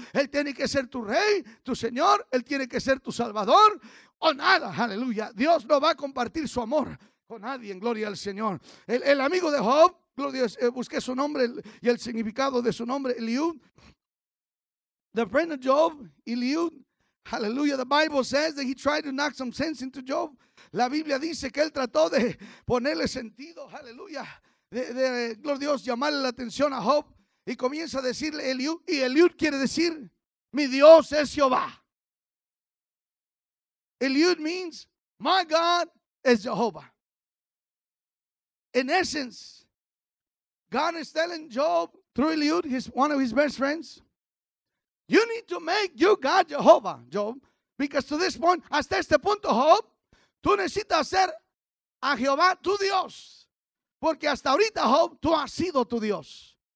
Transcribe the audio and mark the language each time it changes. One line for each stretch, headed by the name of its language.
Spanish: Él tiene que ser tu rey, tu señor. Él tiene que ser tu salvador o nada. Hallelujah. Dios no va a compartir su amor con nadie. En gloria al Señor. El amigo de Job, Dios, busqué su nombre y el significado de su nombre, Eliud.
English: The friend of Job, Eliud. Hallelujah. The Bible says that he tried to knock some sense into Job.
Spanish: La Biblia dice que él trató de ponerle sentido. Hallelujah. De gloria a Dios, llamarle la atención a Job. Y comienza a decirle Eliud. Y Eliud quiere decir, mi Dios es Jehová.
English: Eliud means, my God is Jehovah. In essence, God is telling Job through Eliud, one of his best friends, you need to make your God Jehovah, Job, because to this point,
Spanish: hasta este punto, Job, tú necesitas hacer a Jehová tu Dios, porque hasta ahorita, Job, tú has sido tu Dios.